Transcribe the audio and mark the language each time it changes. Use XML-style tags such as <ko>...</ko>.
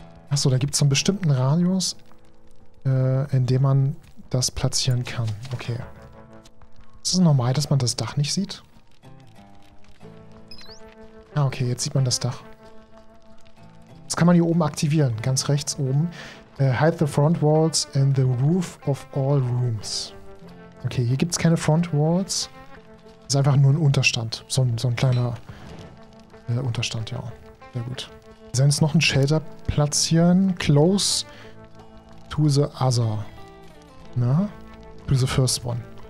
<de>Achso, da gibt es so einen bestimmten Radius, in dem man das platzieren kann. Okay. Ist es normal, dass man das Dach nicht sieht? Ah, okay, jetzt sieht man das Dach. Das kann man hier oben aktivieren, ganz rechts oben.</de> <en>Hide the front walls and the roof of all rooms.</en> <de>Okay, hier gibt es keine front walls. Das ist einfach nur ein Unterstand. So ein kleiner Unterstand, ja. Sehr gut. Wir sollen jetzt noch ein Shelter platzieren.</de> <en>Close to the other.</en> <de>Na?</de> <en>To the first one.</en>